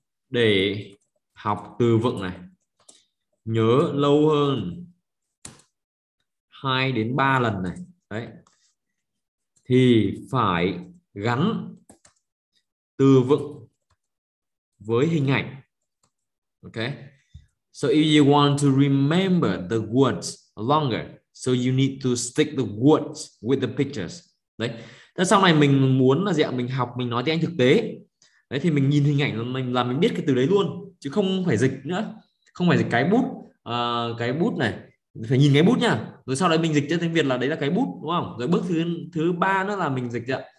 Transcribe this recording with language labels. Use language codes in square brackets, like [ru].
[vi] Để học từ vựng này, nhớ lâu hơn 2 đến 3 lần này. Đấy. Thì phải gắn từ vựng với hình ảnh. Ok. [en] So if you want to remember the words longer, so you need to stick the words with the pictures. [vi] Đấy. Thế sau này mình muốn là dạng mình học, mình nói tiếng Anh thực tế. Đấy thì mình nhìn hình ảnh mình là mình biết cái từ đấy luôn, chứ không phải dịch nữa. Không phải dịch cái bút này. Phải nhìn cái bút nha. Rồi sau đấy mình dịch cho tiếng Việt là đấy là cái bút, đúng không? Rồi bước thứ thứ ba nữa là mình dịch ạ.